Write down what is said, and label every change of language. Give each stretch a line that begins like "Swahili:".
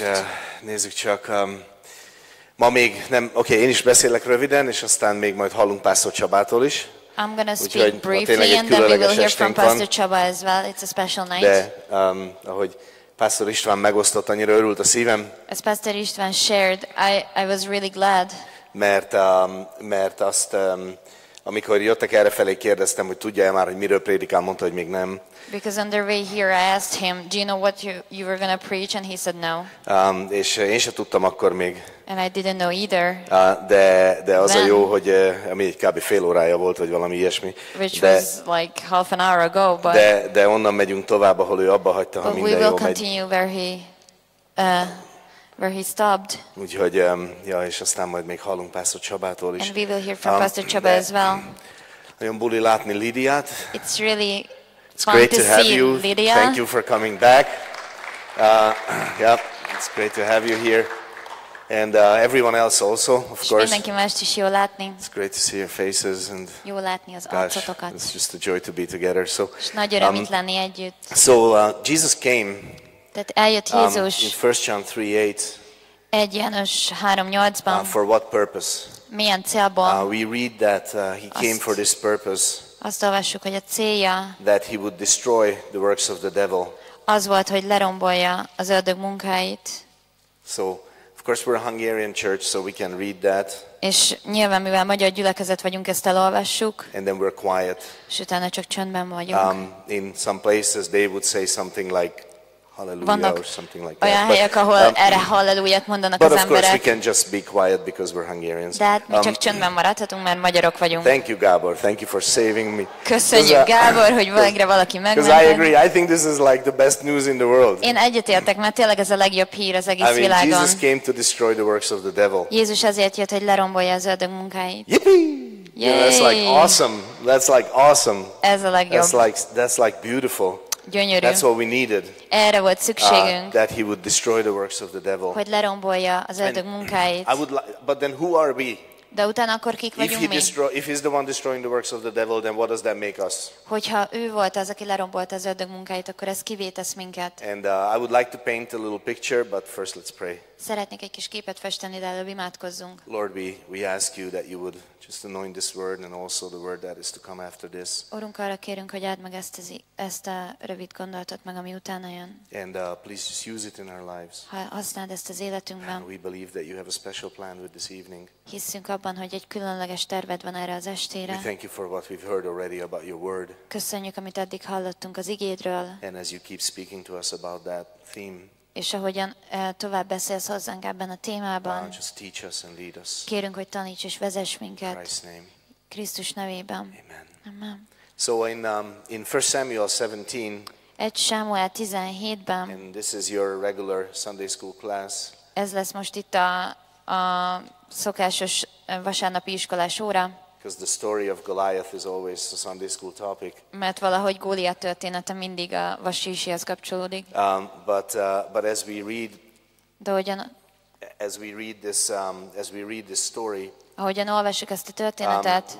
Hungarian: És nézzük csak, ma még nem, oké, én is beszélek röviden, és aztán még majd hallunk Pásztor Csabától is.
English: I'm gonna speak briefly, and then we will hear from Pastor Csaba as well. It's a special night.
Hungarian: De ahogy Pásztor István megosztott, annyira örült a szívem.
English: As Pastor István shared, I was really glad.
Hungarian: Mert azt... amikor jöttek errefelé, kérdeztem, hogy tudja-e már, hogy miről prédikál, mondta, hogy még nem.
English: Because on their way here I asked him, do you know what you were going to preach, and he said no.
Hungarian: És én sem tudtam akkor még.
English: And I didn't know either.
Hungarian: De az then, a jó, hogy ami egy kb. Fél órája volt, vagy valami ilyesmi.
English: Which
Hungarian: de,
English: was like half an hour ago, but...
Hungarian: De onnan megyünk tovább, ahol ő abba hagyta, ha minden jól megy.
English: But we will continue where he stopped.
Hungarian: Úgyhogy, és aztán majd még hallunk Pásztor Csabától is.
English: And we will hear from Pastor Csaba as well.
Hungarian: Nagyon buli látni Lidiát.
English: It's really it's fun great to have you. Lidia. Thank you for coming back. Yeah, it's great to have you here. And everyone else also, of course. It's great to see your faces and
Hungarian: jó látni az arcotokat.
English: It's just a joy to be together. So,
Hungarian: nagy öröm itt lenni együtt.
English: So, Jesus came.
Hungarian: That eljött Jézus.
English: In 1 John 3:8.
Hungarian: 1 János 3:8-ban.
English: For what purpose?
Hungarian: Milyen célból?
English: We read that he came for this purpose.
Hungarian: Azt olvassuk, hogy a célja.
English: That he would destroy the works of the devil.
Hungarian: Az volt, hogy lerombolja az ördög munkáit.
English: So, of course we're a Hungarian church, so we can read that.
Hungarian: És nyilván, mivel magyar gyülekezet vagyunk, ezt elolvassuk.
English: And then we're quiet.
Hungarian: És utána csak csöndben vagyunk.
English: In some places they would say something like
Hungarian: vannak
English: or something like
Hungarian: olyan
English: that.
Hungarian: Helyek, ahol erre hallelujat mondanak az emberek.
English: But of course we can just be quiet because we're Hungarians.
Hungarian: De hát mi csak csöndben maradhatunk, mert magyarok vagyunk.
English: Thank you, Gábor. Thank you for saving me.
Hungarian: Köszönjük, Gábor, hogy végre valaki megment.
English: Because I agree. I think this is like the best news in the world.
Hungarian: Én egyetértek, mert tényleg ez a legjobb hír az egész világon.
English: Jesus came to destroy the works of the devil.
Hungarian: Jézus azért jött, hogy lerombolja az ördög munkáit. Yippee! Yay!
English: That's like awesome. That's like awesome.
Hungarian: Ez a legjobb.
English: That's like beautiful.
Hungarian: Gyönyörű.
English: That's what we needed.
Hungarian: Erre volt szükségünk.
English: That he would destroy the works of the devil.
Hungarian: Hogy lerombolja az ördög munkáit.
English: But then who are we?
Hungarian: De utána akkor kik vagyunk mi?
English: If he's the one destroying the works of the devil, then what does that make us?
Hungarian: Hogyha ő volt az, aki lerombolta az ördög munkáit, akkor ez kivé tesz minket?
English: And I would like to paint a little picture, but first let's pray.
Hungarian: Szeretnék egy kis képet festeni, de előbb imádkozzunk.
English: Lord, we ask you that you would just anoint this word and also the word that is to come after this.
Hungarian: Urunk, arra kérünk, hogy add meg ezt a rövid gondolatot meg, ami utána jön.
English: And please just use it in our lives.
Hungarian: Ha használd ezt az életünkben.
English: And we believe that you have a special plan with this evening.
Hungarian: Hiszünk abban, hogy egy különleges terved van erre az estére.
English: We thank you for what we've heard already about your word.
Hungarian: Köszönjük, amit eddig hallottunk az igédről.
English: And as you keep speaking to us about that theme.
Hungarian: És ahogyan tovább beszélsz hozzánk ebben a témában, kérünk, hogy taníts és vezess minket Krisztus nevében. Amen. Amen.
English: So in 1 Samuel 17,
Hungarian: egy Sámuel 17-ben,
English: and this is your regular Sunday school class,
Hungarian: ez lesz most itt a szokásos vasárnapi iskolás óra,
English: because the story of Goliath is always a Sunday school topic.
Hungarian: Mert valahogy Góliát története mindig a vasárnapihoz kapcsolódik.
English: But as we read,
Hungarian: de ugyan,
English: as we read this story,
Hungarian: ahogyan olvassuk ezt a történetet,